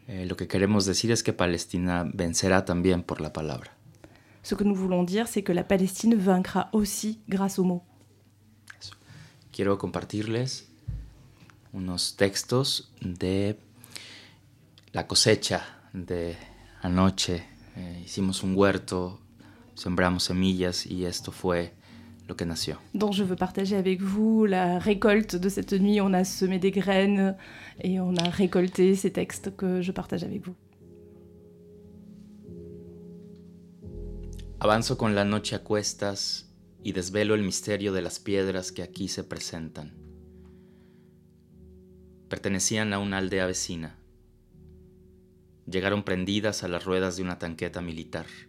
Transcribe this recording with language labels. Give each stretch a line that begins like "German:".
Spanish: Lo que queremos decir es que Palestina vencerá también por la palabra.
French: Ce que nous voulons dire, c'est que la Palestine vaincra aussi grâce aux mots.
Spanish: Eso. Quiero compartirles unos textos de la cosecha de anoche. Hicimos un huerto, sembramos semillas y esto fue lo que nació.
French: Donc je veux partager avec vous la récolte de cette nuit. On a semé des graines et on a récolté ces textes que je partage avec vous.
Spanish: Avanzo con la noche a cuestas y desvelo el misterio de las piedras que aquí se presentan. Pertenecían a una aldea vecina. Llegaron prendidas a las ruedas de una tanqueta militar.